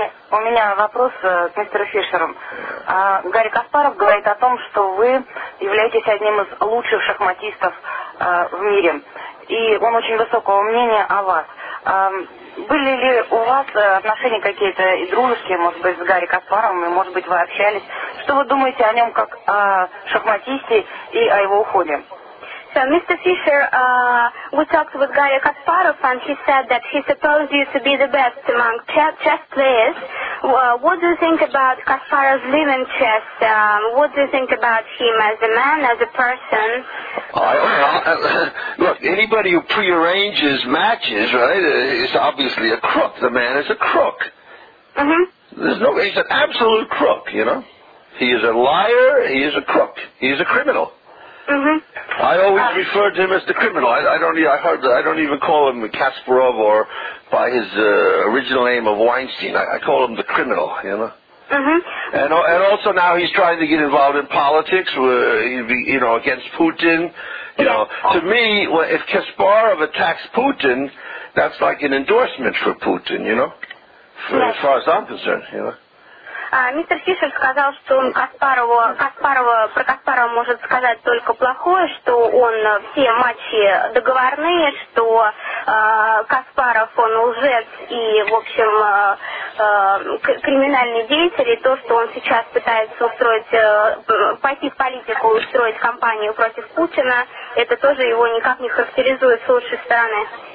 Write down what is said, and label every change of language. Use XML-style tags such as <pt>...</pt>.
<ru>У меня вопрос к мистеру Фишеру. Гарри Каспаров говорит о том, что вы являетесь одним из лучших шахматистов в мире. И он очень высокого мнения о вас. Были ли у вас отношения какие-то и дружеские, может быть, с Гарри Каспаровым, и, может быть, вы общались? Что вы думаете о нем как о шахматисте и о его уходе?</ru> <en>Mr. Fischer, we talked with Garry Kasparov, and he said that he supposed you to be the best among chess players. What do you think about Kasparov's living chess? What do you think about him as a man, as a person? Look, anybody who prearranges matches, right, is obviously a crook. The man is a crook. Mm-hmm. There's no, he's an absolute crook, you know. He is a liar, he is a crook, he is a criminal. Mm-hmm. I always refer to him as the criminal. I don't even call him Kasparov or by his original name of Weinstein. I call him the criminal, you know. Mm-hmm. And also now he's trying to get involved in politics, you know, against Putin. You know, to me, if Kasparov attacks Putin, that's like an endorsement for Putin, you know, as far as I'm concerned, you know.</en> <ru>Мистер Фишер сказал, что он про Каспарова может сказать только плохое, что он все матчи договорные, что Каспаров он лжец и, в общем, криминальный деятель, и то, что он сейчас пытается пойти в политику, устроить кампанию против Путина, это тоже его никак не характеризует с лучшей стороны.</ru>